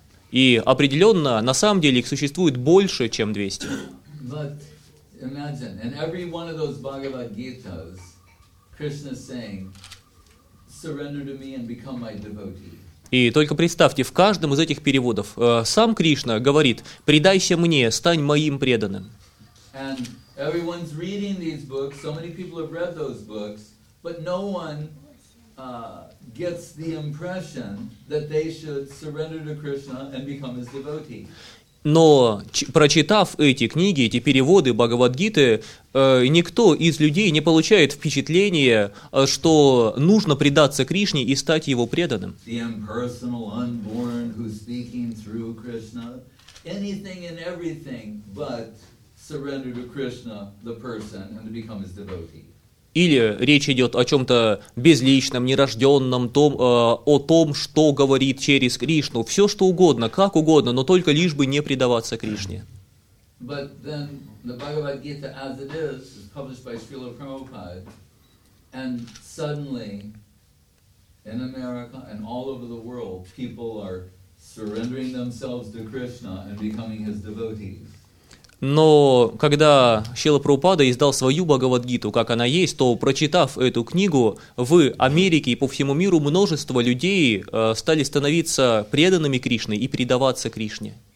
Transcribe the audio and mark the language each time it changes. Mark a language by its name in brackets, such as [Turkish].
[Russian] И определенно, на самом деле, их существует больше, чем 200. [English] Imagine, in every one of those Bhagavad Gitas, Krishna is saying, "Surrender to me and become my devotee." [Russian] И только представьте, в каждом из этих переводов сам Кришна говорит: "Предайся мне, стань моим преданным." [English] And everyone's reading these books. So many people have read those books, but no one gets the impression that they should surrender to Krishna and become his devotee. [Russian] Но, прочитав эти книги, эти переводы Бхагавадгиты, никто из людей не получает впечатления, что нужно предаться Кришне и стать его преданным. [English] The impersonal unborn who's speaking through Krishna, anything and everything but surrender to Krishna, the person, and to become his devotee. [Russian] Или речь идет о чем-то безличном, нерожденном, о том, что говорит через Кришну. Все что угодно, как угодно, но только лишь бы не предаваться Кришне. [English] But then the Bhagavad Gita as it is published by Srila Prabhupada, and suddenly in America and all over the world, people are surrendering themselves to Krishna and becoming his devotees. [Russian] Но когда Шрила Прабхупада издал свою Бхагавадгиту, как она есть, то, прочитав эту книгу, в Америке и по всему миру множество людей стали становиться преданными Кришне и предаваться Кришне.